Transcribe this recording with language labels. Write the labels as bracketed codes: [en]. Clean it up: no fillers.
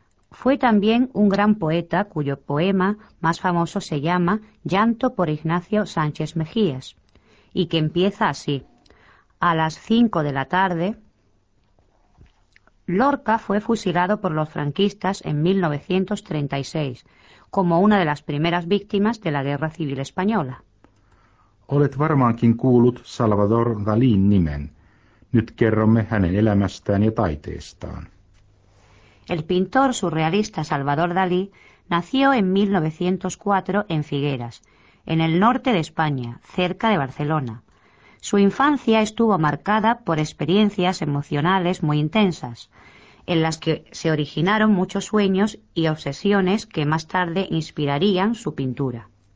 [es] Fue también un gran poeta cuyo poema más famoso se llama Llanto por Ignacio Sánchez Mejías, y que empieza así. A las 5 de la tarde, Lorca fue fusilado por los franquistas en 1936, como una de las primeras víctimas de la Guerra Civil Española. [fi] Olet varmaankin kuullut Salvador Dalín nimen. Nyt kerromme hänen elämästään ja taiteestaan. [es] El pintor surrealista Salvador Dalí nació en 1904 en Figueras, en el norte de España, cerca de Barcelona. Su infancia estuvo marcada por experiencias emocionales muy intensas, en las que se originaron muchos sueños y obsesiones que más tarde inspirarían su pintura.